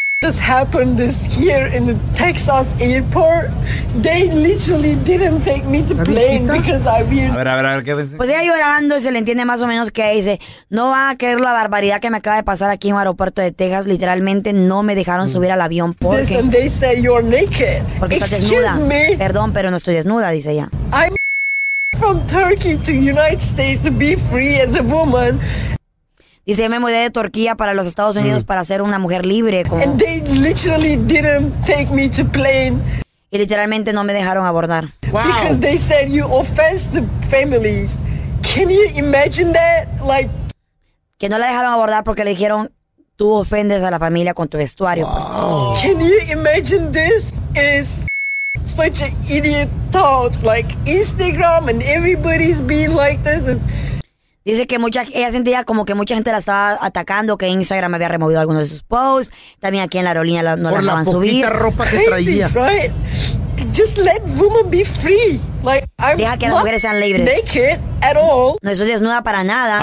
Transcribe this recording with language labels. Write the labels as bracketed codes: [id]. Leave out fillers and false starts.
[en] This happened this year in the Texas airport. They literally didn't take me to plane because I weird. [es] A ver, ¿qué dice? Pues ella llorando y se le entiende más o menos que dice, no van a creer la barbaridad que me acaba de pasar aquí en un aeropuerto de Texas. Literalmente no me dejaron subir al avión porque... [en] This and they say you're naked. [es] Porque estás desnuda. [en] Excuse me. [es] Perdón, pero no estoy desnuda, dice ella. [en] I'm from Turkey to United States to be free as a woman. [es] Dice, yo me mudé de Turquía para los Estados Unidos para ser una mujer libre. Como... [en] And they literally didn't take me to plane. [es] Y literalmente no me dejaron abordar. [en] Wow. Because they said you offend the families. Can you imagine that? Like... [es] Que no la dejaron abordar porque le dijeron, tú ofendes a la familia con tu vestuario. Wow. Pues. [en] Can you imagine this is such an idiot thought. Like Instagram and everybody's being like this is... [es] Dice que ella sentía como que mucha gente la estaba atacando, que Instagram había removido algunos de sus posts. También aquí en la aerolínea no la dejaban subir. Por la poquita ropa que traía. [en] Just let women be free. Like, [es] deja que las mujeres sean libres. [en] Naked at all. [es] No estoy desnuda para nada.